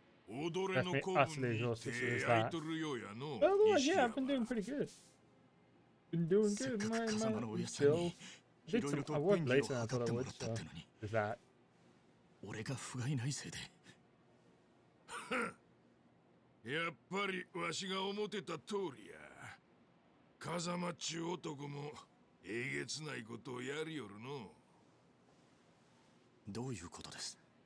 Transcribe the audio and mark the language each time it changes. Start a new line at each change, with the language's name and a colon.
Japanese: 踊れの子分に手焼いとるようやの。
English: By the way, yeah, I've been doing pretty good. Been doing good, my still. I worked later than I thought I would, so there's that.
Japanese: 俺が不甲斐ないせいで。やっぱりわしが思ってた通りや。風間っちゅう男もえげつないことをやりよるの。どういうことです。